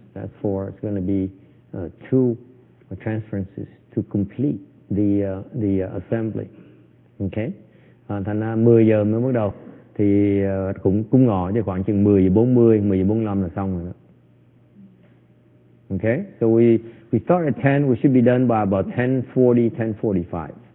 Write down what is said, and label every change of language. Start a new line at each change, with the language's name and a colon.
English: That's for it's going to be two transferences to complete the assembly.
Vietnamese: Okay, thành ra 10 giờ mới bắt đầu. Thì cũng cúng ngọ chứ khoảng chừng 10:40, 10:45 là xong rồi đó.
English: Okay, so we start at 10, we should be done by about 10:40, 10:45.